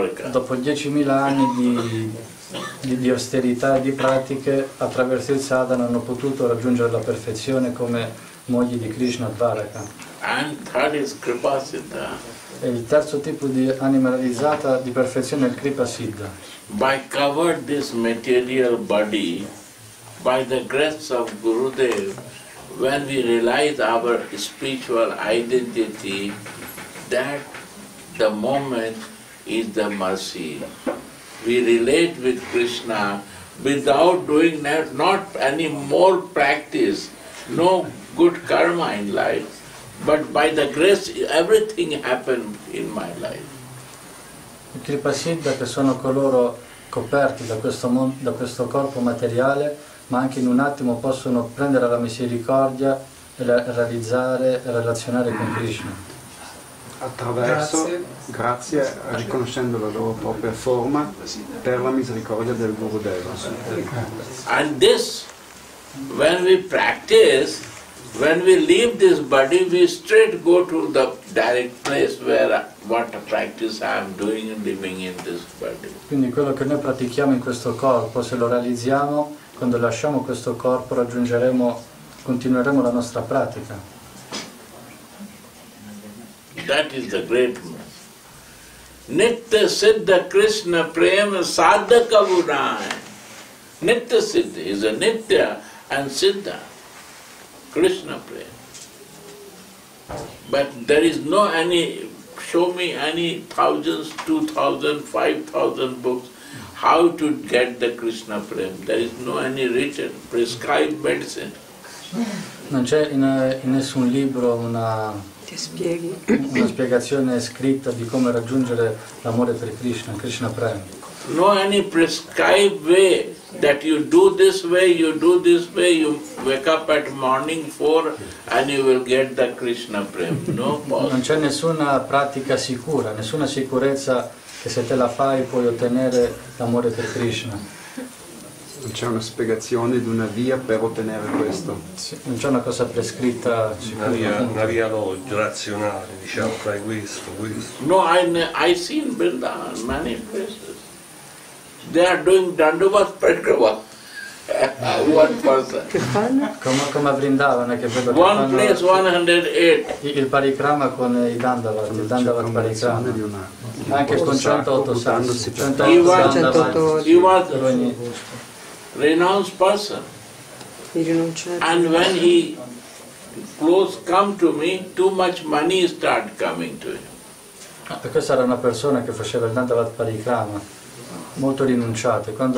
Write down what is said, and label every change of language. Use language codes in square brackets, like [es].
[it] Dopo 10,000 anni di austerità, di pratiche, attraverso il sadhana hanno potuto raggiungere la perfezione come mogli di Krishna Dvaraka. [en] And third is Kripa Siddha. [it] E il terzo tipo di anima realizzata di perfezione è il Kripa Siddha. [en] By cover this material body, by the grace of Gurudev, when we realize our spiritual identity, that the moment is the mercy. We relate with Krishna without doing that, not any more practice, no good karma in life, but by the grace everything happened in my life. [it] I Kripa Siddha, che sono coloro coperti da questo corpo materiale, ma anche in un attimo possono prendere la misericordia e realizzare e relazionare con Krishna. Attraverso, grazie, riconoscendo la loro propria forma per la misericordia del Gurudeva. [en] And this, when we practice, when we leave this body, we straight go to the direct place where what practice I am doing and living in this body. [it] Quindi quello che noi pratichiamo in questo corpo, se lo realizziamo, quando lasciamo questo corpo raggiungeremo, continueremo la nostra pratica. [en] That is the greatness. [bn] Nitya Siddha Krishna Prema Sadhaka Gunai. [en] Nitya Siddha is a Nitya and Siddha Krishna Prema. But there is no any, show me any thousands, 2,000, 5,000 books how to get the Krishna Prema. There is no any written, prescribed medicine. [it] Non c'è in nessun libro una. Spieghi. Una spiegazione scritta di come raggiungere l'amore per Krishna, Krishna Prema. [en] No any prescribed way that you do this way, you do this way, you wake up at morning 4 and you will get the Krishna Prema. No possible. [it] Non c'è nessuna pratica sicura, nessuna sicurezza che se te la fai puoi ottenere l'amore per Krishna. Non c'è una spiegazione di una via per ottenere questo. Sì, non c'è una cosa prescritta sicuramente. Una via razionale, diciamo, fai questo. [en] No, I seen Vrindavan many places. They are doing Dandavat Prakrama. One person. [it] Come a Vrindavan, che vedo che [en] one place, 108. [it] Il Parikrama con i Dandavat, il Dandavat Parikrama. Di una, anche con 108 sassi. 108 sassi. [en] Renounced person. And when he close come to me, too much money start coming to him. [it] Ah, questa era una persona che faceva il Dandavat Parikrama, molto rinunciato.